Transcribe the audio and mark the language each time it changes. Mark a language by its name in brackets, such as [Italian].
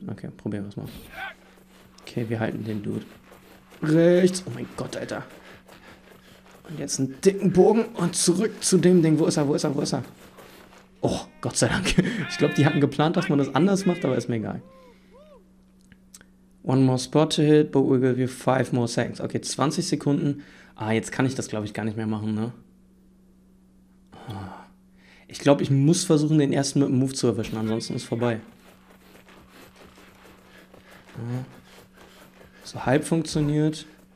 [German] Okay, probieren wir es mal. Okay, wir halten den Dude. Rechts. Oh mein Gott, Alter. Und jetzt einen dicken Bogen und zurück zu dem Ding. Wo ist er? Oh, Gott sei Dank. Ich glaube, die hatten geplant, dass man das anders macht, aber ist mir egal. [English] One more spot to hit, but we'll give you 5 more seconds. [German] Okay, 20 Sekunden. Ah, jetzt kann ich das, glaube ich, gar nicht mehr machen, ne? Ich glaube, ich muss versuchen, den ersten mit dem Move zu erwischen, ansonsten ist vorbei. So halb funktioniert.